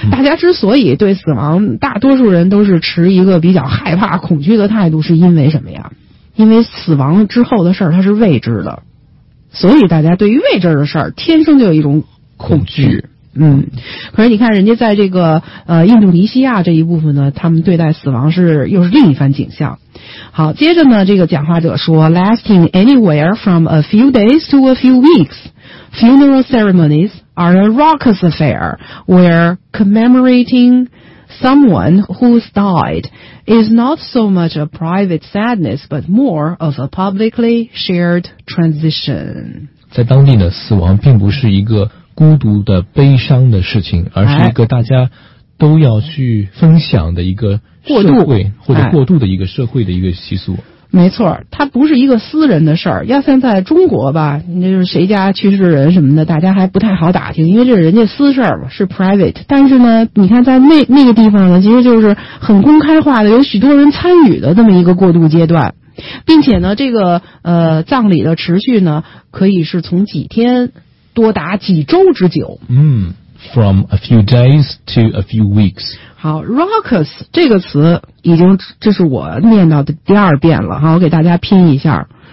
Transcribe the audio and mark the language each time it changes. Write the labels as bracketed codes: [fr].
[zh] 大家之所以对死亡，大多数人都是持一个比较害怕、恐惧的态度，是因为什么呀？因为死亡之后的事儿它是未知的，所以大家对于未知的事儿天生就有一种恐惧。嗯，可是你看人家在这个印度尼西亚这一部分呢，他们对待死亡是又是另一番景象。好，接着呢，这个讲话者说 [en] ，lasting anywhere from a few days to a few weeks, funeral ceremonies are a raucous affair where commemorating someone who's died. Is not so much a private sadness, but more of a publicly shared transition. [zh] 在当地呢，死亡并不是一个孤独的悲伤的事情，而是一个大家都要去分享的一个过渡或者过渡的一个社会的一个习俗。没错，它不是一个私人的事儿。要像在中国吧，那就是谁家去世人什么的，大家还不太好打听，因为这是人家私事儿嘛，是 private。但是呢，你看在那个地方呢，其实就是很公开化的，有许多人参与的这么一个过渡阶段，并且呢，这个葬礼的持续呢，可以是从几天多达几周之久。 [en] From a few days to a few weeks. [zh] 好 ,raucous 这个词已经这是我念到的第二遍了哈，我给大家拼一下。